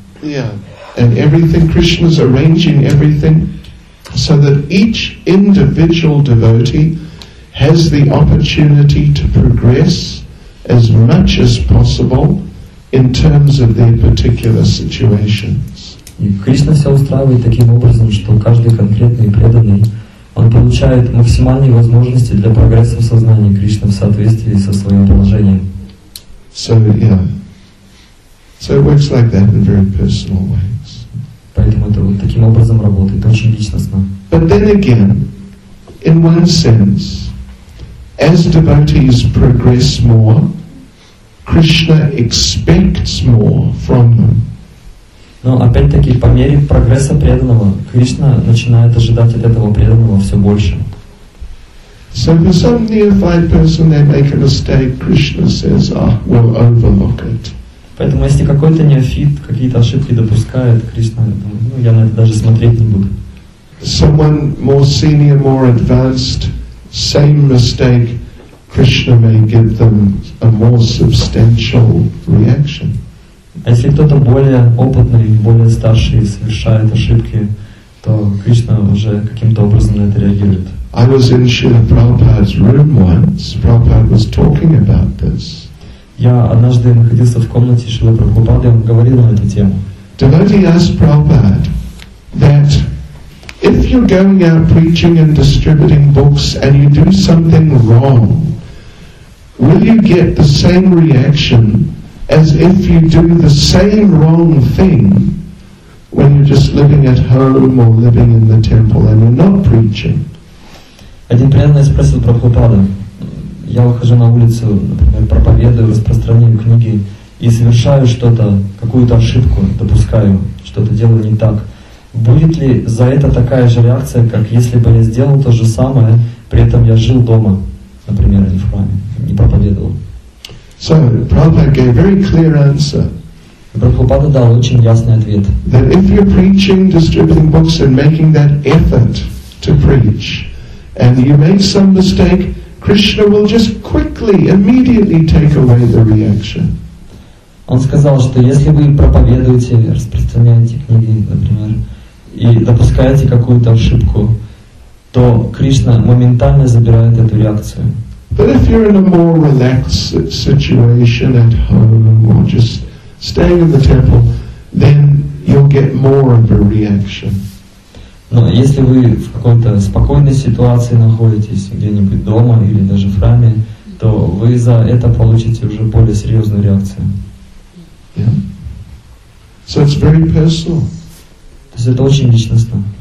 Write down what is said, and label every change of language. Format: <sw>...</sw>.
<en>Yeah. And everything, Krishna is arranging everything so that each individual devotee has the opportunity to progress as much as possible in terms of their particular situations.</en> <ru>И Кришна все устраивает таким образом, что каждый конкретный преданный, он получает максимальные возможности для прогресса в сознании Кришны в соответствии со своим положением.</ru> <en>So, yeah. So it works like that in very personal ways.</en> <ru>Поэтому это вот таким образом работает, очень личностно.</ru> <en>But then again, in one sense, as devotees progress more, Krishna expects more from them.</en> <ru>Но опять-таки, по мере прогресса преданного, Кришна начинает ожидать от этого преданного все больше.</ru> <en>So for some neophyte person, they make a mistake, Krishna says, ah, we'll overlook it.</en> <ru>Поэтому если какой-то неофит какие-то ошибки допускает, Кришна, ну, я на это даже смотреть не буду.</ru> <en>Someone more senior, more advanced, same mistake, Krishna may give them a more substantial reaction.</en> <ru>Если кто-то более опытный, более старший совершает ошибки, то Кришна уже каким-то образом на это реагирует.</ru> <en>I was in Srila Prabhupada's room once. Prabhupada was talking about this.</en> <ru>Я однажды находился в комнате Шрилы Прабхупады, он говорил на эту тему.</ru> <en>Devotee asked Prabhupada that if you're going out preaching and distributing books and you do something wrong, will you get the same reaction as if you do the same wrong thing when you're just living at home or living in the temple and you're not preaching?</en> <ru>Один преданный спросил Прабхупада, я выхожу на улицу, например, проповедую, распространяю книги и совершаю что-то, какую-то ошибку допускаю, что-то делаю не так. Будет ли за это такая же реакция, как если бы я сделал то же самое, при этом я жил дома, например, не в храме, не проповедовал?</ru> <en>So, Prabhupada gave very clear answer.</en> <ru>Прабхупада дал очень ясный ответ.</ru> <en>That if you're preaching, distributing books and making that effort to preach, and you make some mistake, Krishna will just quickly, immediately take away the reaction.</en> <ru>Он сказал, что если вы проповедуете, распространяете книги, например, и допускаете какую-то ошибку, то Кришна моментально забирает эту реакцию.</ru> <en>But if you're in a more relaxed situation at home or just staying in the temple, then you'll get more of a reaction.</en> <ru>Но если вы в какой-то спокойной ситуации находитесь, где-нибудь дома или даже в храме, то вы за это получите уже более серьезную реакцию.</ru> <en>Yeah. So it's very personal.</en> <ru>То есть это очень личностно.</ru>